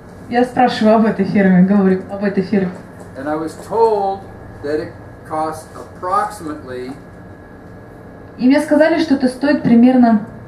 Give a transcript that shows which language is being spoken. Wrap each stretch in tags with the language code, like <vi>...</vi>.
<ru>Я спрашиваю об этой ферме, говорю об этой ферме.</ru> <en>And I was told that it costs approximately.</en> <ru>И мне сказали, что это стоит примерно.</ru>